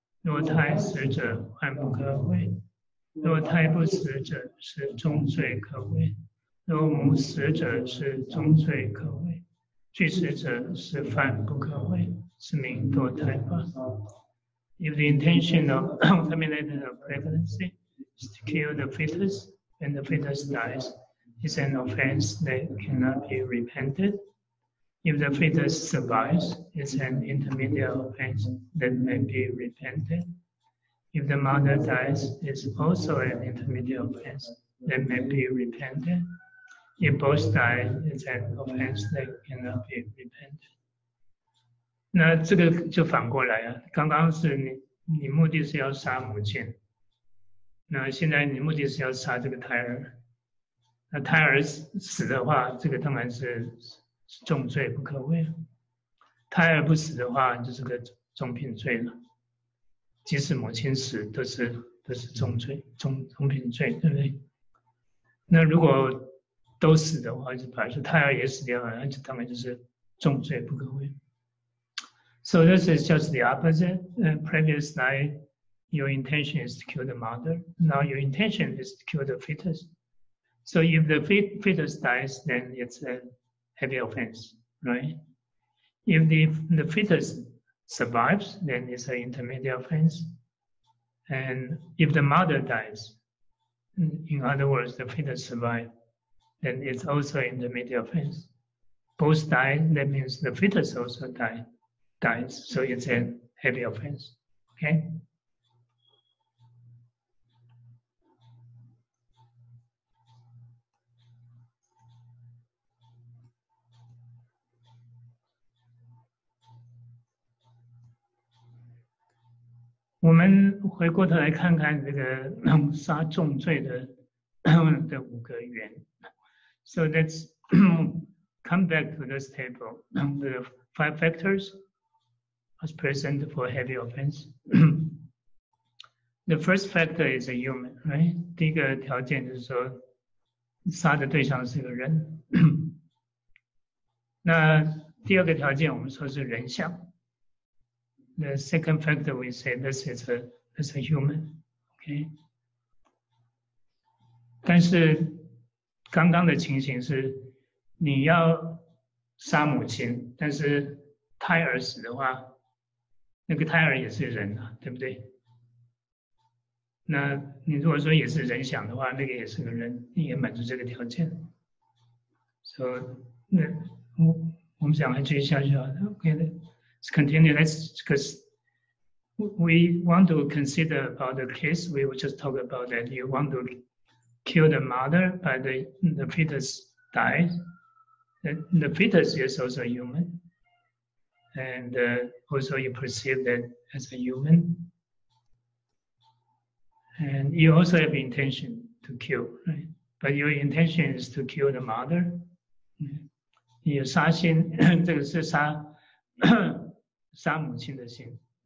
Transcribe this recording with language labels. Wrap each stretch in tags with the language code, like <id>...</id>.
<zh>若胎死者，患不可悔；若胎不死者，是重罪可悔；若母死者，是重罪可悔；俱死者，是犯不可悔，是名堕胎法。</zh> <en>If the intention of terminating a pregnancy is to kill the fetus, and the fetus dies, it's an offense that cannot be repented. If the fetus survives, it's an intermediate offense that may be repented. If the mother dies, it's also an intermediate offense that may be repented. If both die, it's an offense that cannot be repented.</en> <zh>那这个就反过来了，刚刚是你目的是要杀母亲，那现在你目的是要杀这个胎儿，那胎儿死的话，这个当然是重罪不可悔，胎儿不死的话就是个重品罪了。即使母亲死都是重罪，重品罪，对不对？那如果都死的话，就表示胎儿也死掉了，那就当然就是重罪不可悔。</zh> <en>So this is just the opposite. Previous night, your intention is to kill the mother. Now your intention is to kill the fetus. So if the fetus dies, then it's a heavy offense, right? If the fetus survives, then it's an intermediate offense. And if the mother dies, in other words, the fetus survives, then it's also an intermediate offense. Both die, that means the fetus also dies, so it's a heavy offense, okay?</en> <zh>我们回过头来看看这个杀重罪的五个缘。</zh> <en>So let's come back to this table. The five factors as present for heavy offense. The first factor is a human, right?</en> <zh>第一个条件就是说杀的对象是个人。那第二个条件我们说是人相。</zh> <en>The second factor we say this is a human, okay?</en> <zh>但是刚刚的情形是你要杀母亲，但是胎儿死的话，那个胎儿也是人啊，对不对？那你如果说也是人想的话，那个也是个人，你也满足这个条件。 So, 那我们想还继续下去啊 ，okay?</zh> <en>Let's continue. We want to consider about the case we will just talk about that you want to kill the mother but the fetus dies. The fetus is also human and also you perceive that as a human. And you also have intention to kill, right? But your intention is to kill the mother.</en> <zh>你有杀心，这个是杀杀母亲的心。</zh>